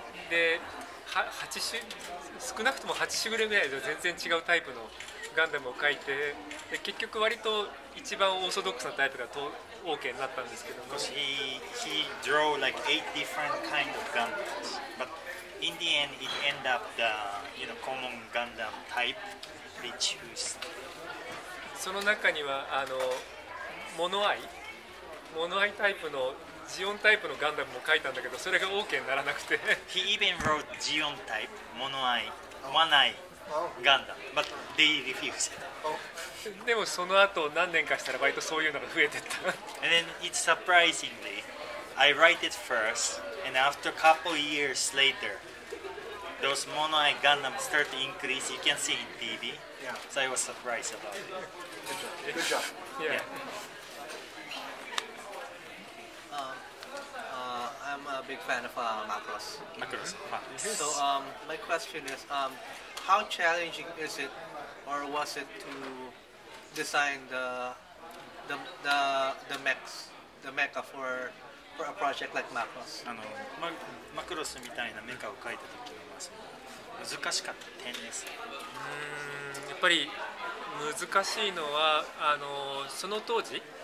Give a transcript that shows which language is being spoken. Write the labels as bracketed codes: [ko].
[ja] で、8種、少なくとも8種類ぐらいで全然違うタイプのガンダムを描いて、で結局割と一番オーソドックスなタイプが OK になったんですけども。 [en] He drew like 8 different kind of Gundams, but in the end, it end up the you know common Gundam type they choose. [ja] その中にはモノアイ、モノアイタイプのジオンタイプのガンダムも書いたんだけど、それが OK にならなくて。 [en] He even wrote [ja] ジオンタイプ、モノアイ、ワンアイ、ガンダム、 [en] but they refused. [ja] でもその後何年かしたら割とそういうのが増えてった。 [en] And then it's surprisingly, I write it first, and after a couple years later, those モノアイガンダム start to increase. You can see in TV. So I was surprised about it. Good job. job. Yeah. I'm a big fan of Macross. Macross. So my question is, how challenging is it, or was it to design the mechs, the mecha for a project like Macross? [ja] Macross みたいなメカを描いた時はまあ難しかった点です。やっぱり難しいのはその当時。